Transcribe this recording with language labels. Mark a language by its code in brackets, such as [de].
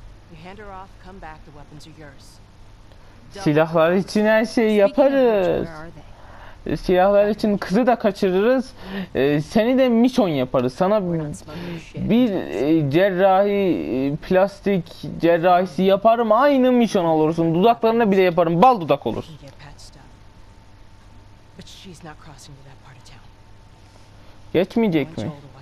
[en] You hand her off, come back, the weapons are yours. [tr] Silahlar için her şeyi yaparız. Silahlar için kızı da kaçırırız. Seni de misyon yaparız. Sana bir cerrahi, plastik cerrahisi yaparım. Aynı misyon olursun. Dudaklarına bile yaparım. Bal dudak olursun. [en] But she's not crossing to that part of town. [tr] Geçmeyecek mi?